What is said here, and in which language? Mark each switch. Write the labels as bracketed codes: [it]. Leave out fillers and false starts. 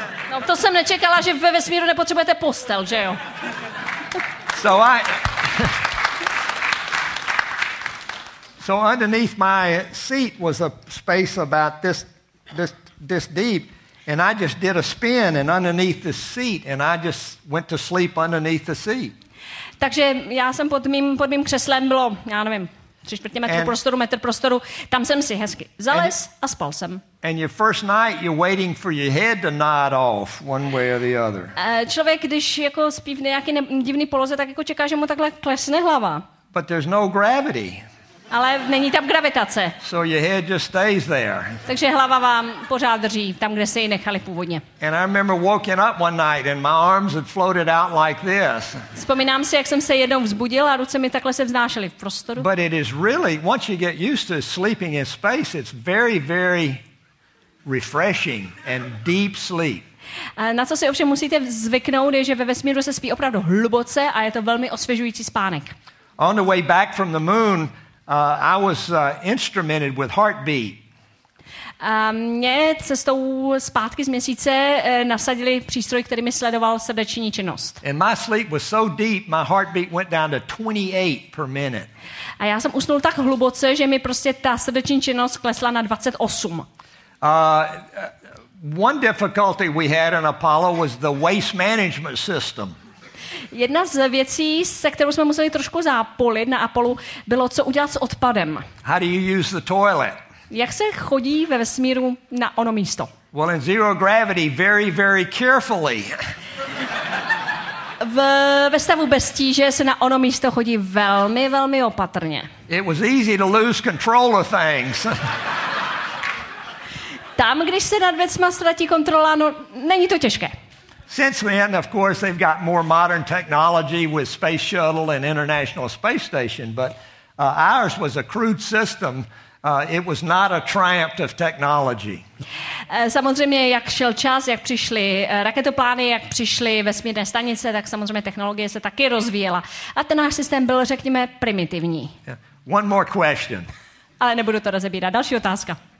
[cs] No, to jsem nečekala, že ve vesmíru nepotřebujete postel, že jo? [en] So underneath my seat was a space about this deep, and I just did a spin and underneath the seat, and I just went to sleep underneath the seat. [cs] Takže já jsem pod mým křeslem bylo, já nevím, 3/4 metru prostoru, metr prostoru, tam jsem si hezky zalez a spal jsem. [en] And your first night you're waiting for your head to nod off one way or the other. [cs] Člověk, když jako spí v nějaký divný poloze, tak jako čeká, že mu takhle klesne hlava. [en] But there's no gravity. [cs] Ale není tam gravitace. [en] So your head just stays there. [cs] Takže hlava vám pořád drží tam, kde se ji nechali původně. [en] And I remember waking up one night and my arms had floated out like this. [cs] Vzpomínám si, jak jsem se jednou vzbudil a ruce mi takhle se vznášely v prostoru. [en] But it is really, once you get used to sleeping in space, it's very, very refreshing and deep sleep. [cs] Na co si ovšem musíte zvyknout, je, že ve vesmíru se spí opravdu hluboce a je to velmi osvěžující spánek. [en] On the way back from the moon, I was instrumented with heartbeat. [cs] Mě cestou zpátky z měsíce nasadili přístroj, který mi sledoval srdeční činnost. [en] And my sleep was so deep, my heartbeat went down to 28 per minute. [cs] A já jsem usnul tak hluboce, že mi prostě ta srdeční činnost klesla na 28. [en] One difficulty we had in Apollo was the waste management system. [cs] Jedna z věcí, se kterou jsme museli trošku zápolit na Apollo, bylo, co udělat s odpadem. [en] How do you use the toilet? [cs] Jak se chodí ve vesmíru na ono místo? [en] Well, in zero gravity, very, very carefully. [cs] Ve stavu bez tíže se na ono místo chodí velmi, velmi opatrně. [en] It was easy to lose control of things. [cs] Tam, když se nad věcma ztratí kontrola, no, není to těžké. [en] Since then, of course, they've got more modern technology with space shuttle and International Space Station, but ours was a crude system. It was not a triumph of technology. [cs] Samozřejmě, jak šel čas, jak přišly raketoplány, jak přišly vesmírné stanice, tak samozřejmě technologie se taky rozvíjela. A ten náš systém byl, řekněme, primitivní. [en] Yeah. One more question. [cs] Ale nebudu to rozebírat. Další otázka.